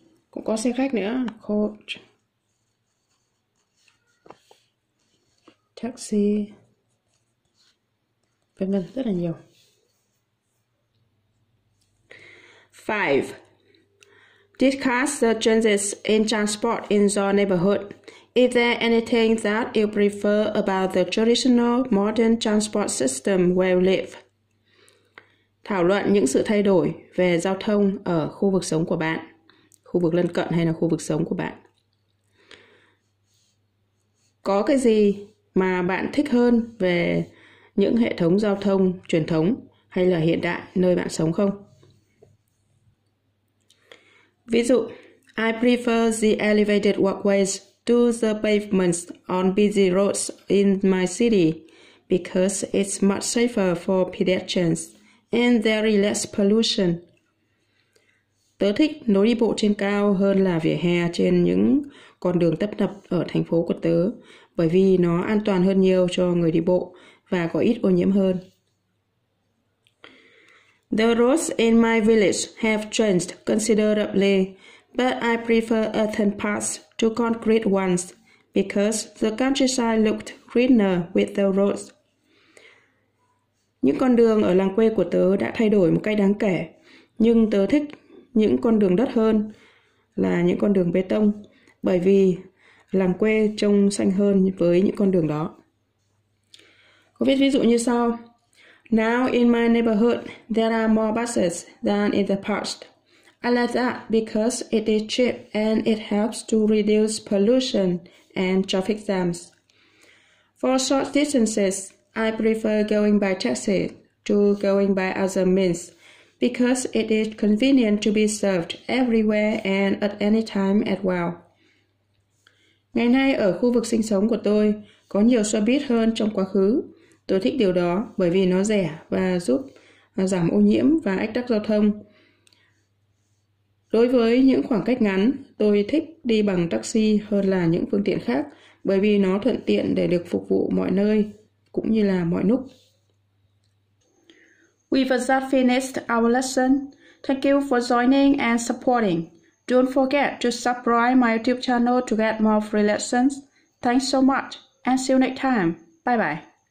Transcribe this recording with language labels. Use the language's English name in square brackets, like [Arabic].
[Vietnamese] Cũng có xe khách nữa, coach, taxi, vân vân, rất là nhiều. [English] Five. Discuss the changes in transport in your neighborhood. Is there anything that you prefer about the traditional modern transport system where you live? [Vietnamese] Thảo luận những sự thay đổi về giao thông ở khu vực sống của bạn, khu vực lân cận hay là khu vực sống của bạn. Có cái gì mà bạn thích hơn về những hệ thống giao thông truyền thống hay là hiện đại nơi bạn sống không? Ví dụ, [English] I prefer the elevated walkways to the pavements on busy roads in my city because it's much safer for pedestrians and there is less pollution. [Vietnamese] Tớ thích lối đi bộ trên cao hơn là vỉa hè trên những con đường tấp nập ở thành phố của tớ bởi vì nó an toàn hơn nhiều cho người đi bộ và có ít ô nhiễm hơn. [English] The roads in my village have changed considerably, but I prefer earthen paths to concrete ones because the countryside looked greener with the roads. [Vietnamese] Những con đường ở làng quê của tớ đã thay đổi một cách đáng kể, nhưng tớ thích những con đường đất hơn là những con đường bê tông, bởi vì làng quê trông xanh hơn với những con đường đó. Có viết ví dụ như sau. [English] Now in my neighborhood, there are more buses than in the past. I like that because it is cheap and it helps to reduce pollution and traffic jams. For short distances, I prefer going by taxi to going by other means because it is convenient to be served everywhere and at any time as well. [Vietnamese] Ngày nay ở khu vực sinh sống của tôi có nhiều xe buýt hơn trong quá khứ. Tôi thích điều đó bởi vì nó rẻ và giúp giảm ô nhiễm và ách tắc giao thông. Đối với những khoảng cách ngắn, tôi thích đi bằng taxi hơn là những phương tiện khác bởi vì nó thuận tiện để được phục vụ mọi nơi cũng như là mọi lúc. [English] We've just finished our lesson. Thank you for joining and supporting. Don't forget to subscribe my YouTube channel to get more free lessons. Thanks so much, and see you next time. Bye bye.